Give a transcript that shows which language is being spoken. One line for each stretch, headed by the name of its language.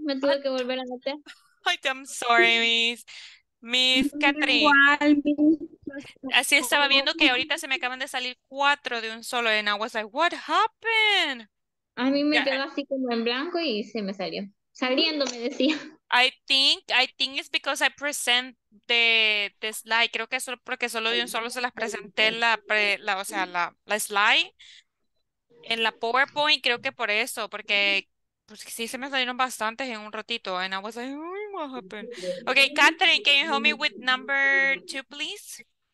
Spanish: Me tuve que volver a meter.
English: I'm sorry, Miss Catherine.
Spanish: Así estaba viendo que ahorita se me acaban de salir cuatro de un solo.
English: And I was like, what happened?
Spanish: A mí me quedó así como en blanco y se me salió. Saliendo, me decía.
English: I think it's because I present the slide.
Spanish: Creo que solo porque solo de un solo se las presenté la slide en la PowerPoint. Creo que por eso, porque pues sí se me salieron bastantes en un ratito.
English: And I was like, what happened? Okay, Catherine, can you help me with number two, please?